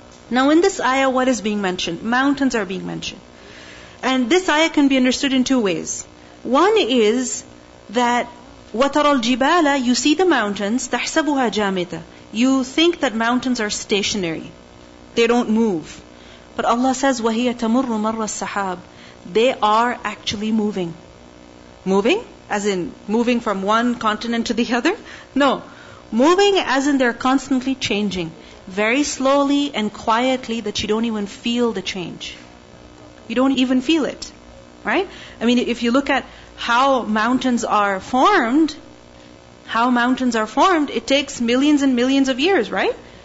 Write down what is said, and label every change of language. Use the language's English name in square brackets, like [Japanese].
[English] Now in this ayah, what is being mentioned? Mountains are being mentioned. And this ayah can be understood in two ways. One is that [Arabic] وَتَرَى الْجِبَالَ, [English] you see the mountains, [Arabic] تَحْسَبُهَا جَامِدَةً. [English] You think that mountains are stationary. They don't move. But Allah says, [Arabic] وَهِيَ تَمُرُّ مَرَّ السَّحَابِ. [English] They are actually moving. Moving? As in moving from one continent to the other? No. Moving as in they're constantly changing. Very slowly and quietly that you don't even feel the change. You don't even feel it. Right? I mean, if you look at how mountains are formed, it takes millions and millions of years, right?